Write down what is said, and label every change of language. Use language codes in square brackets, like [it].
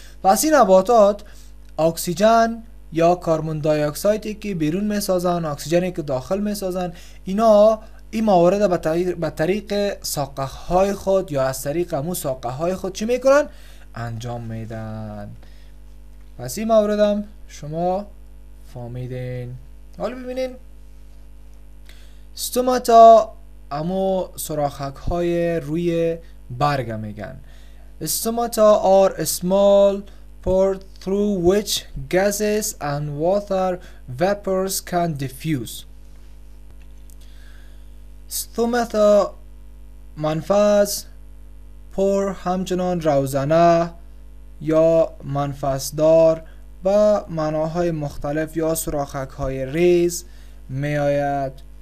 [fa] پس این نباتات اکسیژن یا کاربون دای اکسایدی که بیرون میسازن، اکسیژنی که داخل میسازن، اینا این موارد به طریق ساقه های خود یا از طریق امو ساقه های خود چی میکنن؟ انجام میدن. پس این موارد هم شما فهمیدین. حالا ببینین استوماتا امو سوراخک های روی برگ میگن. [en] Stomata are small port through which gases and water vapors can diffuse. [fa] استوماتا منفاس پر، همچنان روزنه یا منفاسدار با معناهای مختلف یا سوراخک های ریز می آید.